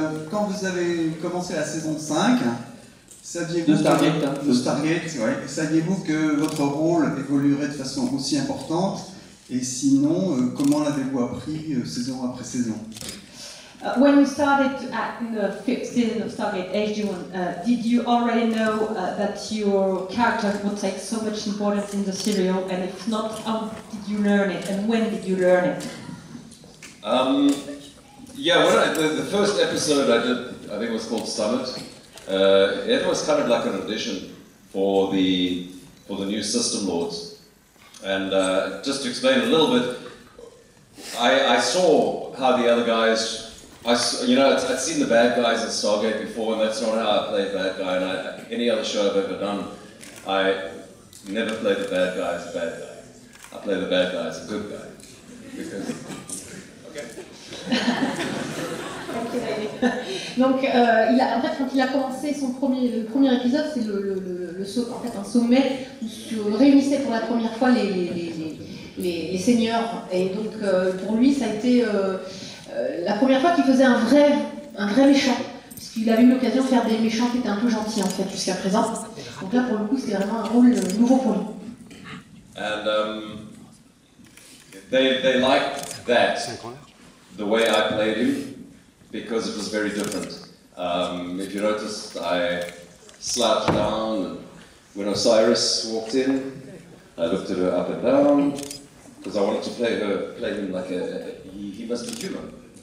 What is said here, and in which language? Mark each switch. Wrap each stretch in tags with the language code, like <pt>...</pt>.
<fr>Quand vous avez commencé la saison 5, saviez-vous que votre rôle évoluerait de façon aussi importante? Et sinon, comment l'avez-vous appris saison après saison?</fr> <en>When you started in the fifth season of Stargate SG-1, did you already know that your character would take so much importance in the serial? And if not, how did you learn it? And when did you learn it? The first episode I did, I think it was called Summit. It was kind of like an audition for the new system lords, and just to explain a little bit, I saw how the other guys, I'd seen the bad guys in Stargate before, and that's not how I played bad guy. And any other show I've ever done, I never play the bad guy as a bad guy. I play the bad guy as a good guy.</en> <fr>Donc, quand il a commencé le premier épisode, c'est un sommet où se réunissaient pour la première fois les seigneurs. Et donc, pour lui, ça a été la première fois qu'il faisait un vrai méchant, puisqu'il avait eu l'occasion de faire des méchants qui étaient un peu gentils, en fait, jusqu'à présent. Donc là, pour le coup, c'était vraiment un rôle nouveau pour lui.</fr> <en>And they liked that, the way I played him. Because it was very different. If you noticed, I slouched down, and when Osiris walked in, I looked at her up and down, because I wanted to play him like he must be human.</en>